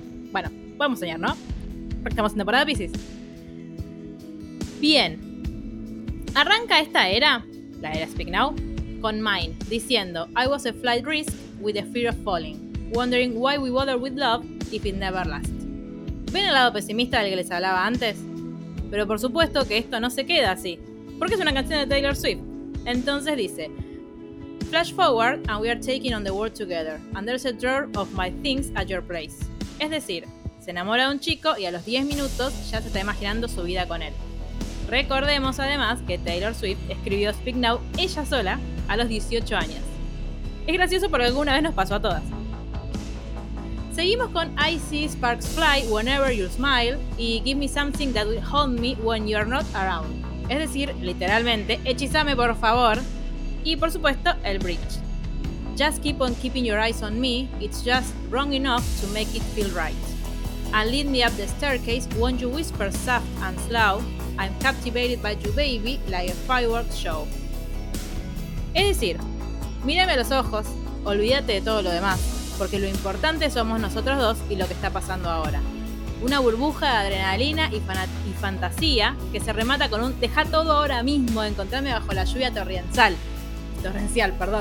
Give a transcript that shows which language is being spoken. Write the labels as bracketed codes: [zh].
[es] Bueno, podemos soñar, ¿no? Porque estamos en temporada Pisces. Bien, arranca esta era, la era [en] Speak Now, con Mine, [es] diciendo [en] I was a flight risk with the fear of falling, wondering why we bother with love if it never lasts. ¿Ven el lado pesimista del que les hablaba antes? Pero por supuesto que esto no se queda así, porque es una canción de Taylor Swift. [es] Entonces dice [en] Flash forward and we are taking on the world together, and there's a drawer of my things at your place. [es] Es decir, se enamora de un chico y a los 10 minutos ya se está imaginando su vida con él. Recordemos además que Taylor Swift escribió Speak Now ella sola a los 18 años. Es gracioso porque alguna vez nos pasó a todas. Seguimos con [en] I See Sparks Fly Whenever You Smile y Give Me Something That Will Haunt Me When You're Not Around. [es] Es decir, literalmente, hechizame por favor. Y por supuesto, el bridge. [en] Just keep on keeping your eyes on me, it's just wrong enough to make it feel right. And lead me up the staircase, won't you whisper soft and slow, I'm captivated by you, baby, like a fireworks show. [es] Es decir, mírame a los ojos, olvídate de todo lo demás, porque lo importante somos nosotros dos y lo que está pasando ahora. Una burbuja de adrenalina y fantasía que se remata con un deja todo ahora mismo, encontrarme bajo la lluvia torrencial.